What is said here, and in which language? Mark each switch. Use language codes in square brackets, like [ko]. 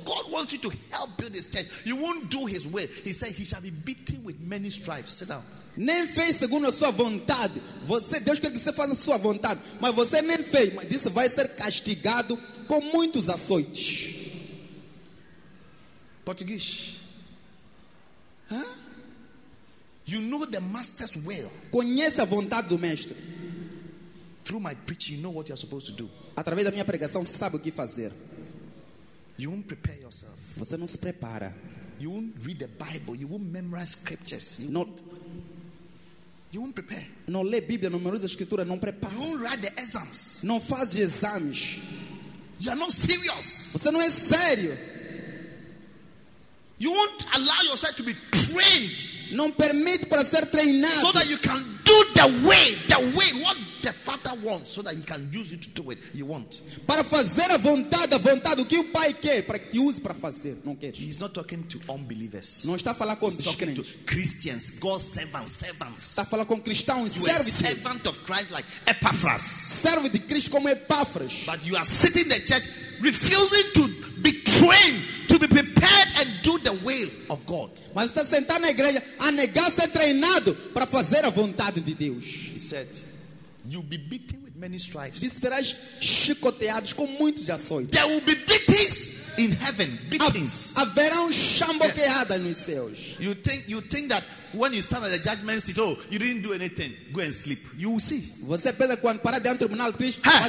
[en] God wants you to help build his church. You won't do his will. He said he shall be beaten with many stripes. Sit down. [pt] Nem fez segundo a sua vontade. Você, Deus quer que você faça a sua vontade. Mas você nem fez. Mas disse, vai ser castigado com muitos açoites. Português. [en] You know the master's will. [pt] Conhece a vontade do mestre. [en] Through my preaching, you know what you are supposed to do. [pt] Através da minha pregação, você sabe o que fazer. [en] You won't prepare yourself. [pt] Você não se prepara. [en] You won't read the Bible. You won't memorize scriptures. You not. You won't prepare. [pt] Não lê Bíblia, não memoriza a escritura, não prepara. [en] You won't write the exams. [pt] Não faz exames. [en] You are not serious. [pt] Você não é sério. [en] You won't allow yourself to be trained. [pt] Não permite para ser treinado. [en] So that you can do the way what the Father wants, so that he can use you to do it you want. [pt] Para fazer a vontade, o que o Pai quer para que te use para fazer. Não quer. [en] He's not talking to unbelievers. [pt] Não está a falar com os crentes. [en] He's talking to Christians, God's servants. [pt] Está a falar com cristãos, [en] you are servant of Christ like Epaphras. [pt] Servo de Cristo como Epáfras. [en] But you are sitting in the church refusing to be trained. To be prepared and do the will of God. [pt] Mas está sentado na igreja a negar ser treinado para fazer a vontade de Deus. [en] He said, "You'll be beaten with many stripes." [pt] Diz, serás chicoteados com muitos açoites. [en] There will be beatings in heaven. Beatings. [pt] Haverá chamboqueada nos céus. [en] You think that when you stand at the judgment seat, oh, you didn't do anything. Go and sleep. You will see. [pt] Você pensa quando parar diante do tribunal Cristo?